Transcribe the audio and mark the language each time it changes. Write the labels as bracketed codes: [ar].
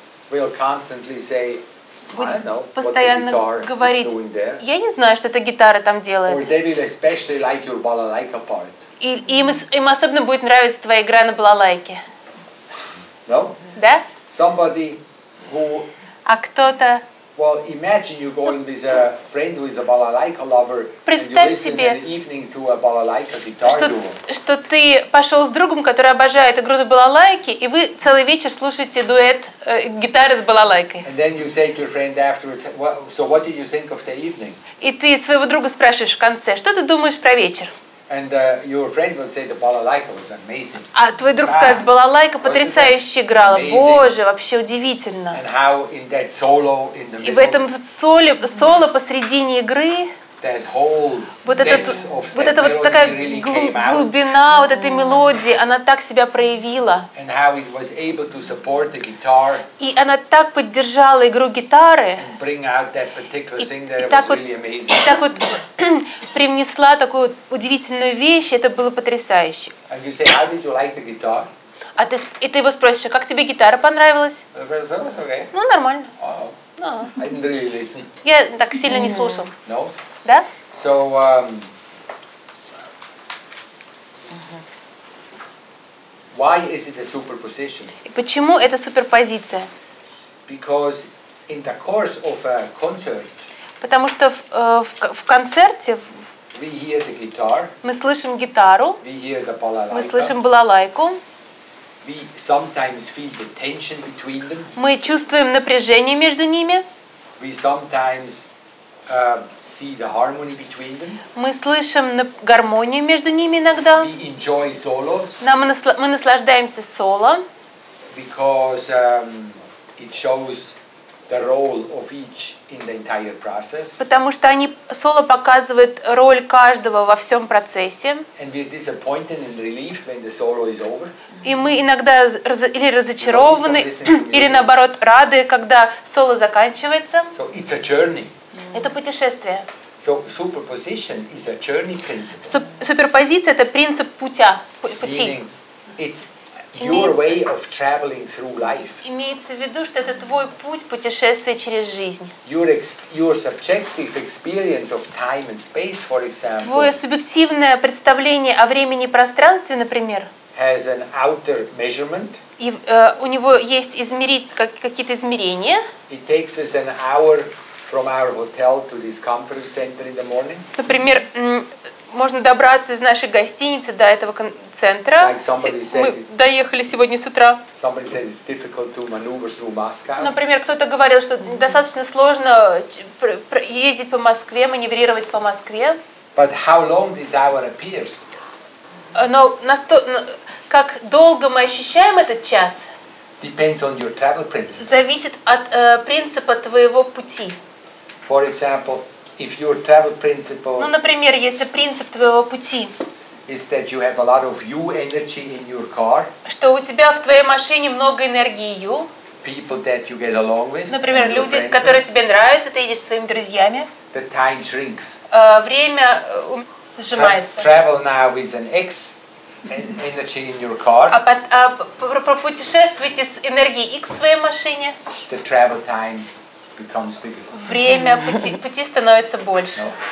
[en] Will constantly say, [ru] будет постоянно говорить, я не знаю, что эта гитара там делает. Им особенно будет нравиться твоя игра на балалайке. [en] No? [ru] Да? [en] Somebody who... [ru] А кто-то... [en] Well, imagine you're going with a friend who is a balalaika lover. [ru] Представь [en] and you [ru] себе, [en] an evening to a balalaika guitar [ru] что ты пошел с другом, который обожает игру на балалайке, и вы целый вечер слушаете дуэт гитары с балалайкой. [en] And then you say to your friend afterwards, well, so what did you think of the evening? [ru] И ты своего друга спрашиваешь в конце, что ты думаешь про вечер? [en] And your friend would say the balalaika was amazing. [ru] А твой друг скажет, балалайка потрясающе играла. Боже, вообще удивительно. [en] And how in that solo in the [ru] И в этом соло посредине игры [en] that whole [ru] вот эта вот такая глубина вот этой мелодии, она так себя проявила. [en] And how it was able to support the guitar. [ru] И она так поддержала игру гитары. [en] And bring out that particular thing that was really amazing. [ru] И так вот привнесла такую удивительную вещь, это было потрясающе. [en] And you say, how did you like the guitar? [ru] А ты, и ты его спросишь, как тебе гитара понравилась? Ну, нормально. [en] I didn't really listen. [ru] Я так сильно не слушал. [en] No? [ru] Да? [en] So, why is it a superposition? [ru] Почему это суперпозиция? [en] Because in the course of a concert, [ru] потому что в концерте [en] we hear the guitar, [ru] мы слышим гитару, [en] we hear the balalaika, [ru] мы слышим балалайку, [en] we sometimes feel the tension between them, [ru] мы чувствуем напряжение между ними, [en] we sometimes see the harmony between them. [ru] Мы слышим гармонию между ними иногда. [en] We enjoy solos. [ru] Мы наслаждаемся соло. [en] Because it shows the role of each in the entire process. [ru] Потому что они соло показывают роль каждого во всем процессе. [en] And we're disappointed and relieved when the solo is over. [ru] И мы иногда или разочарованы, или наоборот рады, когда соло заканчивается. [en] So it's a journey. [ru] Это путешествие. [en] So superposition is a journey principle. [ru] Суперпозиция это принцип путя, пути. [en] Meaning it's your way of traveling through life. [ru] Имеется в виду, что это твой путь путешествия через жизнь. [en] Your subjective experience of time and space, for example. [ru] Твое субъективное представление о времени и пространстве, например. [en] Has an outer measurement. [ru] И у него есть какие-то измерения. [en] It takes us an hour from our hotel to this conference center in the morning. [ru] Например, можно добраться из нашей гостиницы до этого центра. [en] Like somebody said, [ru] мы доехали сегодня с утра. [en] Somebody said it's difficult to maneuver through Moscow. [ru] Например, кто-то говорил, что достаточно сложно ездить по Москве, маневрировать по Москве. [en] But how long this hour appears? [ru] Но как долго мы ощущаем этот час? [en] Depends on your travel principle. [ru] Зависит от принципа твоего пути. [en] For example, if your travel principle, [ru] ну, например, если принцип твоего пути, [en] is that you have a lot of you energy in your car, [ru] что у тебя в твоей машине много энергии you, [en] people that you get along with, [ru] например, люди, которые тебе нравятся, ты едешь со своими друзьями, [en] the time shrinks, [ru] время сжимается. [en] Travel now with an X energy in your car. [ru] Путешествуйте с энергией X в своей машине. [en] The travel time becomes bigger. [ru] Время пути становится больше.